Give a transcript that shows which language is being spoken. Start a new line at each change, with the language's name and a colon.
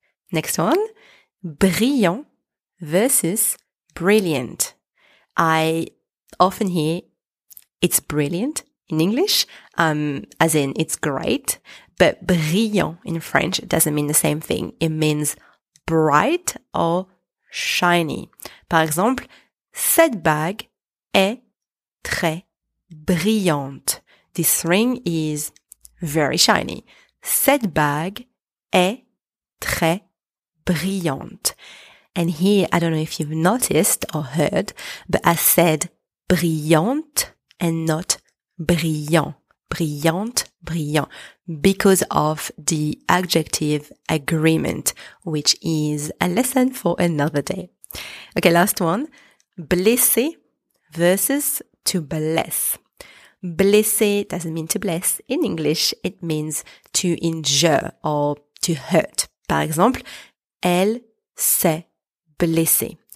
English: Next one, brillant versus brilliant. I often hear it's brilliant in English, as in it's great, but brillant in French doesn't mean the same thing. It means bright or shiny.
French: Par exemple, cette bague est très brillante.
English: This ring is very shiny.
French: Cette bague est très brillante.
English: And here, I don't know if you've noticed or heard, but I said brillante and not brillant. Brillante, brillant. Because of the adjective agreement, which is a lesson for another day. Okay, last one. Blessé versus to bless. Blessé doesn't mean to bless. In English, it means to injure or to hurt.
French: Par exemple, elle s'est blessée.